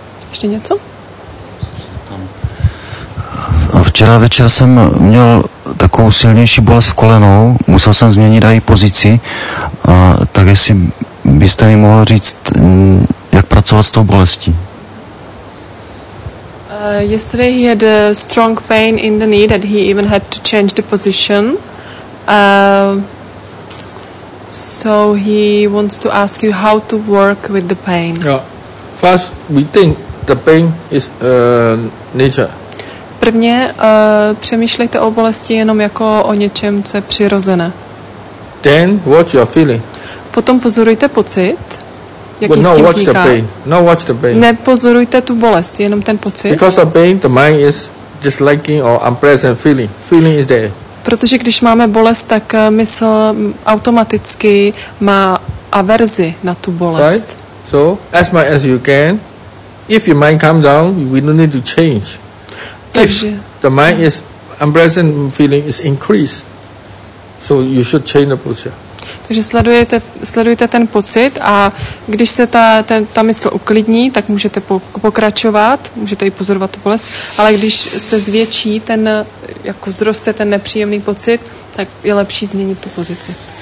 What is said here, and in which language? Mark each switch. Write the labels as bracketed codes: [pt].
[cs] Ještě něco? Včera večer jsem měl takovou silnější bolest v kolenou, musel jsem změnit i pozici, a tak jestli byste mi mohl říct, jak pracovat s tou bolestí. [en] Yesterday he had a strong pain in the knee that he even had to change the position. So he wants to ask you how to work with the pain. Yeah. First we think the pain is nature. [cs] Prvně přemýšlejte o bolesti jenom jako o něčem, co je přirozené. [en] Then watch your feeling. [cs] Potom pozorujte pocit, jakým s tím vzniká. Nepozorujte tu bolest, jenom ten pocit. [en] Because of pain, the mind is disliking or unpleasant feeling. Feeling is there. [cs] Protože když máme bolest, tak mysl automaticky má averzi na tu bolest. [en] Right? So, as much as you can, if your mind calms down, we don't need to change. [cs] Takže, [en] if the mind is unpleasant feeling is increased, so you should change the posture. [cs] Takže sledujete ten pocit a když se ta mysl uklidní, tak můžete pokračovat, můžete i pozorovat tu bolest, ale když se zvětší ten, jako zroste ten nepříjemný pocit, tak je lepší změnit tu pozici.